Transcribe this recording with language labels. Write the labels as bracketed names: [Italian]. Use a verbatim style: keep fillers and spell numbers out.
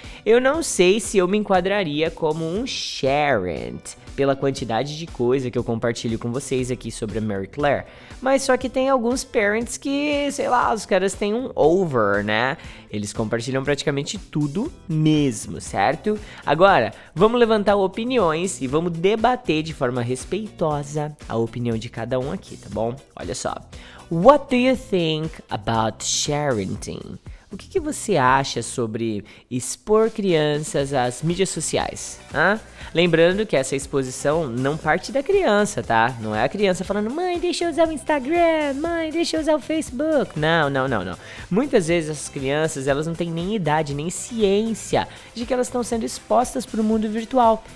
[Portuguese] Eu não sei se eu me enquadraria como um sharent pela quantidade de coisa que eu compartilho com vocês aqui sobre a Mary Claire, mas só que tem alguns parents que, sei lá, os caras têm um over, né? Eles compartilham praticamente tudo mesmo, certo? Agora, vamos levantar opiniões e vamos debater de forma respeitosa a opinião de cada um aqui, tá bom? Olha só. [English] What do you think about sharenting? [Portuguese] O que, que você acha sobre expor crianças às mídias sociais? Hã? Lembrando que essa exposição não parte da criança, tá? Não é a criança falando, mãe, deixa eu usar o Instagram, mãe, deixa eu usar o Facebook. Não, não, não, não. Muitas vezes essas crianças, elas não têm nem idade, nem ciência de que elas estão sendo expostas para o mundo virtual.